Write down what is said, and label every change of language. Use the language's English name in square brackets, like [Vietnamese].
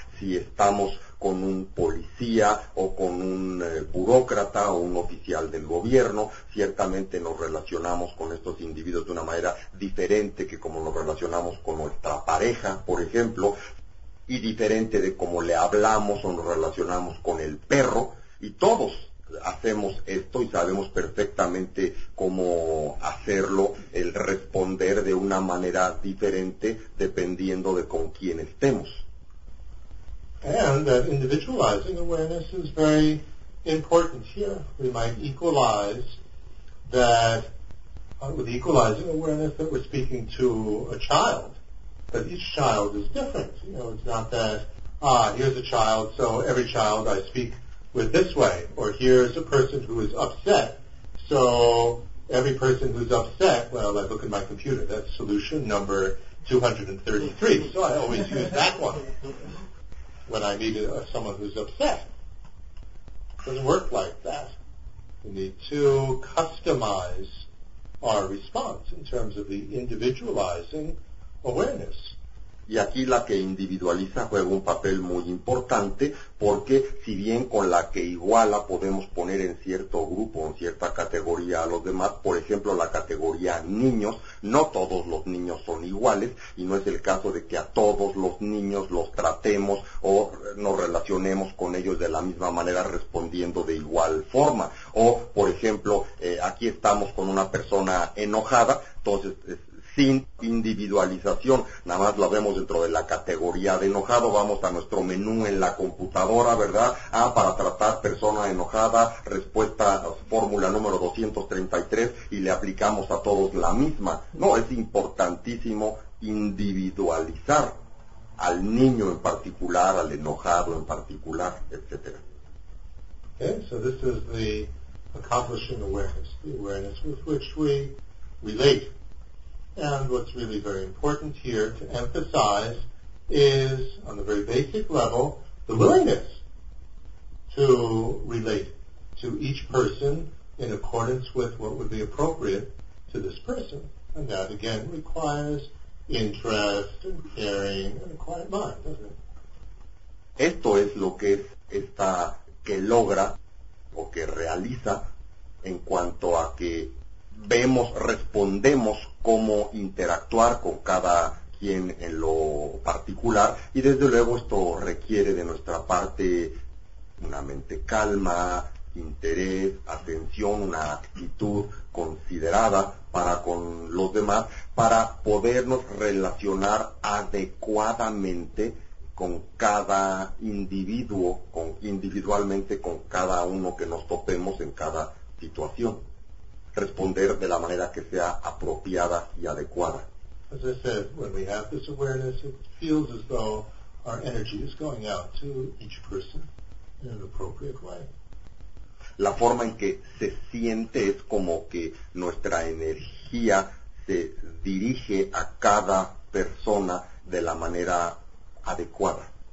[Spanish] Si estamos con un policía o con un burócrata o un oficial del gobierno, ciertamente nos relacionamos con estos individuos de una manera diferente que como nos relacionamos con nuestra pareja, por ejemplo, y diferente de como le hablamos o nos relacionamos con el perro. Y todos hacemos esto y sabemos perfectamente cómo hacerlo, el responder de una manera diferente dependiendo de con quién estemos. [English] And that individualizing awareness is very important here. We might equalize that with equalizing awareness that we're speaking to a child, but each child is different. You know, it's not that, here's a child, so every child I speak with this way, or here's a person who is upset, so every person who's upset, well, I look at my computer, that's solution number 233, so I always use that one when I meet someone who's upset. It doesn't work like that. We need to customize our response in terms of the individualizing awareness. [Spanish] Y aquí la que individualiza juega un papel muy importante, porque si bien con la que iguala podemos poner en cierto grupo, en cierta categoría a los demás, por ejemplo la categoría niños, no todos los niños son iguales, y no es el caso de que a todos los niños los tratemos o nos relacionemos con ellos de la misma manera respondiendo de igual forma. O, por ejemplo, aquí estamos con una persona enojada, entonces sin individualización, nada más la vemos dentro de la categoría de enojado, vamos a nuestro menú en la computadora, ¿verdad? Ah, para tratar persona enojada, respuesta, fórmula número 233, y le aplicamos a todos la misma. No, es importantísimo individualizar al niño en particular, al enojado en particular, etc. [English] Okay, so this is the accomplishing awareness with which we relate. And what's really very important here to emphasize is, on the very basic level, the willingness to relate to each person in accordance with what would be appropriate to this person. And that, again, requires interest and caring and a quiet mind, doesn't it? [Spanish] Esto es lo que es esta que logra o que realiza en cuanto a que vemos, respondemos cómo interactuar con cada quien en lo particular, y desde luego esto requiere de nuestra parte una mente calma, interés, atención, una actitud considerada para con los demás, para podernos relacionar adecuadamente con cada individuo, individualmente con cada uno que nos topemos en cada situación. Responder de la manera que sea apropiada y adecuada. [English] As I said, when we have this awareness, it feels as though our energy is going out to each person in an appropriate way. [Spanish] La forma en que se siente es como que nuestra energía se dirige a cada persona de la manera adecuada.